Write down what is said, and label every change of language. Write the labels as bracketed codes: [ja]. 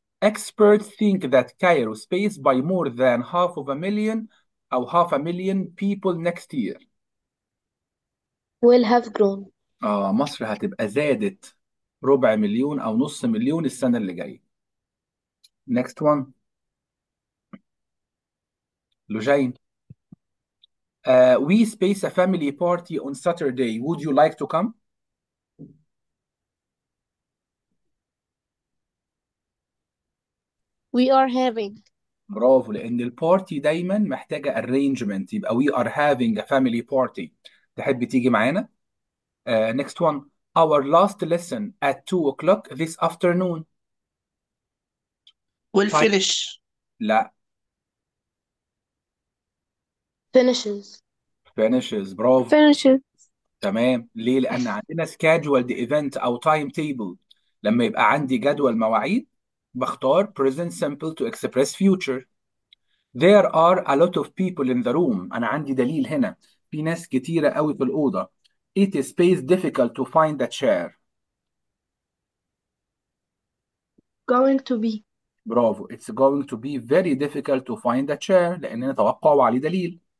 [en] Experts think that Cairo space by more than half of a million أو half a million people next year. will have grown. [ar] مصر هتبقى زادت ربع مليون أو نص مليون السنة اللي جاية. [en] Next one. لوجين. We space a family party on Saturday. Would you like to come? We are having. [ar] برافو، لأن البارتي دايماً محتاجة arrangement. يبقى [en] we are having a family party. [ar] تحب تيجي معانا؟ [en] Next one. Our last lesson at 2 o'clock this afternoon. will [ar] طيب. [en] finish [ar] لا. [en] finishes finishes، bravo. finishes [ar] تمام، ليه؟ لأن عندنا [en] scheduled event [ar] أو [en] time table. [ar] لما يبقى عندي جدول مواعيد بختار [en] present simple to express future. There are a lot of people in the room. [ar] أنا عندي دليل هنا، في ناس كتيرة قوي في الأوضة. [en] It is space difficult to find a chair. going to be bravo, it's going to be very difficult to find a chair، [ar] لأننا توقع وعلي دليل.